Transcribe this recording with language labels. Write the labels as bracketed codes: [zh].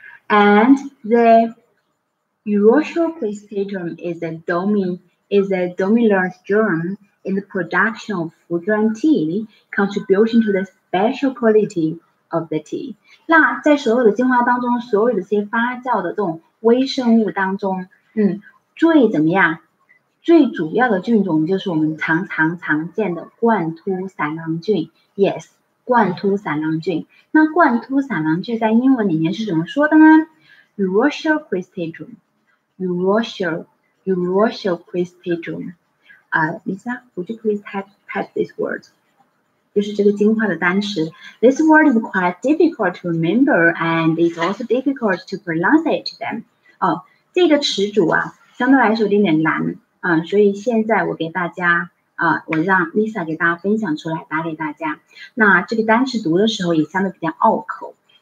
[en] And the Urushiol cristatum is a dominant germ in the production of 茯砖 tea, contributing to the special quality of the tea. [zh] 那在所有的精华当中，所有的这些发酵的这种微生物当中，最怎么样？最主要的菌种就是我们常见的冠突散囊菌。 Yes, 冠突散囊菌。那冠突散囊菌在英文里面是怎么说的呢 ？Urushiol cristatum. [en] Urushiol cristatum. Lisa, would you please type this word? [zh] 就是这个精华的单词。 [en] This word is quite difficult to remember and it's also difficult to pronounce it to them. [zh] 这个词组啊相对来说有点难。所以现在我给大家我让 Lisa 给大家分享出来打给大家。那这个单词读的时候也相对比较拗口。